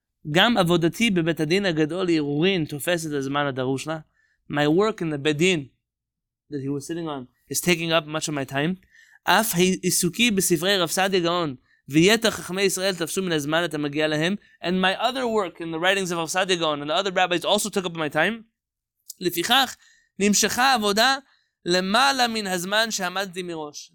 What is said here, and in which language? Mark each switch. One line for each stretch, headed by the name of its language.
Hebrew: גם עבודתי בבית הדין הגדול עירורין תופסת הזמן הדרוש לה.
English: My work in the בדין that he was sitting on is taking up much of my time.
Hebrew: אף עיסוקי בספרי רב סעדיה גאון ויתר חכמי ישראל תפסו מן הזמן את המגיע להם.
English: And my other work in the writings of רב סעדיה גאון and the other rabbis also took up my time.
Hebrew: לפיכך נמשכה עבודה למעלה מן הזמן שעמדתי מראש.